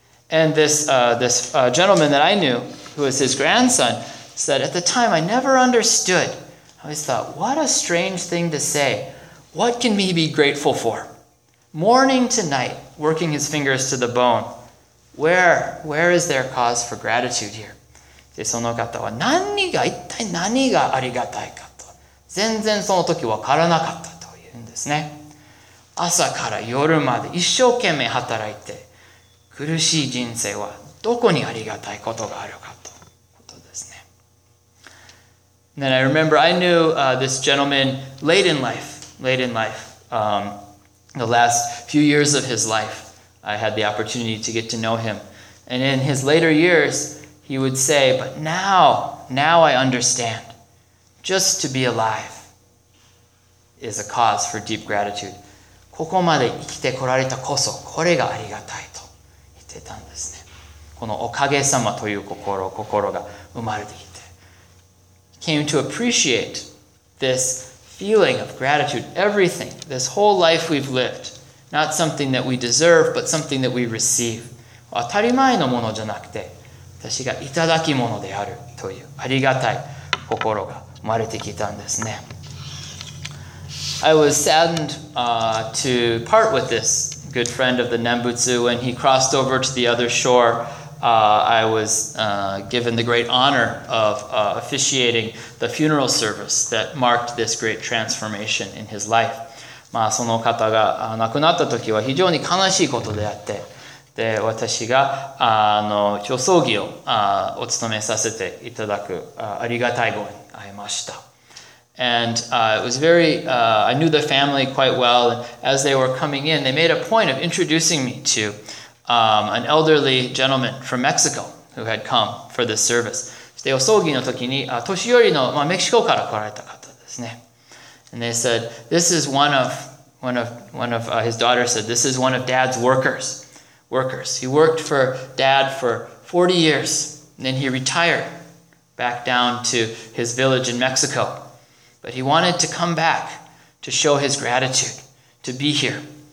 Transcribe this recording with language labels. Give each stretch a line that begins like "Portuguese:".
English: And this gentleman that I knew, who was his grandson, said, at the time, I never understood. I always thought, what a strange thing to say. What can he be grateful for? Morning to night, working his fingers to the bone. Where is there cause for gratitude here?
Japanese: で、その方は一体何がありがたいかと、全然その時わからなかったというんですね。朝から夜まで一生懸命働いて、苦しい人生はどこにありがたいことがあるかということですね。
English: Then I remember I knew this gentleman late in life, the last few years of his life, I had the opportunity to get to know him. And in his later years, he would say, but now I understand. Just to be alive is a cause for deep gratitude.
Japanese: ここまで生きてこられたこそ、これがありがたいと言ってたんですね。このおかげさまという心が生まれてきて。
English: Came to appreciate this feeling of gratitude, everything, this whole life we've lived, not something that we deserve, but something that we receive.
Japanese: 当たり前のものじゃなくて、私がいただきものであるというありがたい心が生まれてきたんですね。
English: I was saddened to part with this good friend of the Nembutsu when he crossed over to the other shore. I was given the great honor of officiating the funeral service that marked this great transformation in his life.
Japanese: その方が亡くなった時は非常に悲しいことであって、で私が葬儀をお務めさせていただくありがたいご縁に会いました。
English: And it was very, I knew the family quite well. And as they were coming in, they made a point of introducing me to an elderly gentleman from Mexico who had come for this service.
Japanese: で、お葬儀の時に、年寄りの、メキシコから来られた方ですね。
English: And they said, this is his daughter said, this is one of dad's workers. He worked for dad for 40 years. And then he retired back down to his village in Mexico. But he wanted to come back to show his gratitude, to be here.